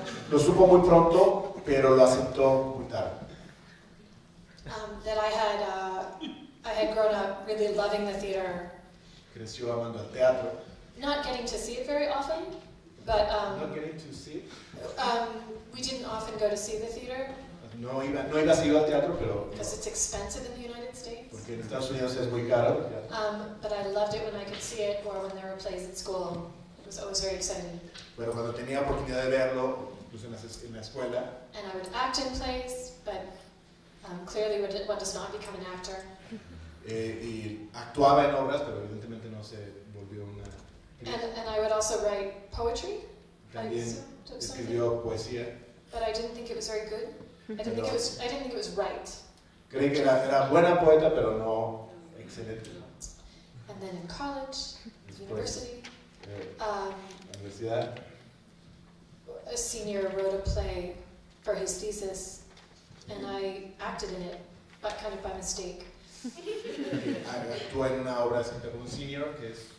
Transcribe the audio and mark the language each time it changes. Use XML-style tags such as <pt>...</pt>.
<es>Lo supo muy pronto, pero lo aceptó muy tarde.</es> <en>That I had grown up really loving the theater.</en> <es>Creció amando el teatro.</es> <en>Not getting to see it very often, but not getting to see. We didn't often go to see the theater.</en> <es>No iba a seguir al teatro, pero.</es> <en>Because it's expensive in the United States.</en> <es>Porque en Estados Unidos es muy caro.</es> <en>But I loved it when I could see it or when there were plays at school. It was always very exciting.</en> <es>Pero cuando tenía oportunidad de verlo, incluso en la escuela.</es> <en>And I would act in plays, but. Clearly, one does not become an actor.</en> <es>Y actuaba en obras, pero evidentemente no se volvió una.</es> <en>And I would also write poetry.</en> <es>También escribió poesía.</es> <en>But I didn't think it was very good. I didn't think it was right.</en> <es>Creí que era buena poeta, pero no excelente.</es> <en>And then in college, university.</en> <es>La universidad.</es> <en>A senior wrote a play for his thesis. And I acted in it, but kind of by mistake.</en> <es>Actué en una obra escrita por un senior, que es</es>